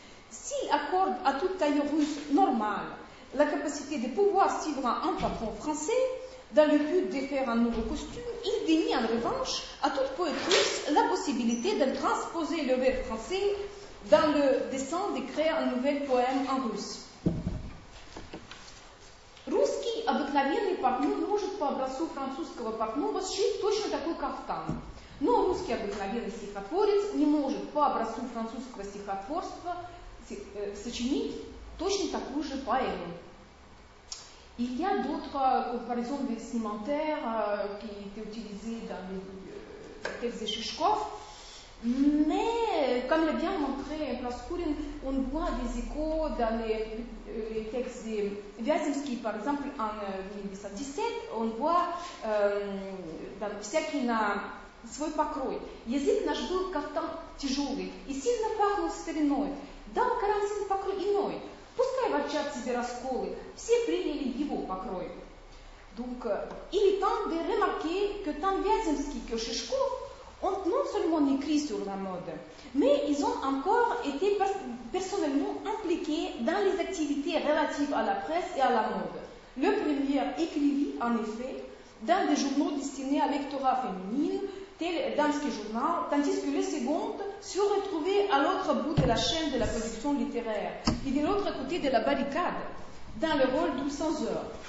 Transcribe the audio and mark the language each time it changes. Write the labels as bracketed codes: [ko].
[fr] S'il accorde à tout tailleur russe normal la capacité de pouvoir suivre un patron français dans le but de faire un nouveau costume, il dénie en revanche à tout poète russe la possibilité de transposer le vers français dans le dessin d'écrire un nouvel poème en russe. [ru] Русский обыкновенный портной может по образцу французского портного сшить точно такой кафтан. Но русский обыкновенный стихотворец не может по образцу французского стихотворства сочинить точно такую же поэму. [fr] Il y a d'autres comparaisons vestimentaires qui étaient utilisées dans les textes de Chichkov, mais comme l'a bien montré Praskourine, on voit des échos dans les textes de Vyazemsky, par exemple en 1917, on voit dans [ru] всякий на свой покрой. Язык наш был кафтан тяжелый и сильно пахнул стариной, дал карамзин покрой иной. Пускай ворчат себе расколы, все приняли его покрой. [fr] Donc, il est temps de remarquer que tant Вяземский, que Шишков ont non seulement écrit sur la mode, mais ils ont encore été personnellement impliqués dans les activités relatives à la presse et à la mode. Le premier écrivit, en effet, dans des journaux destinés à lectorat féminine, tel Danske Journal, tandis que le second se retrouvait à l'autre bout de la chaîne de la production littéraire et de l'autre côté de la barricade, dans le rôle du censeur.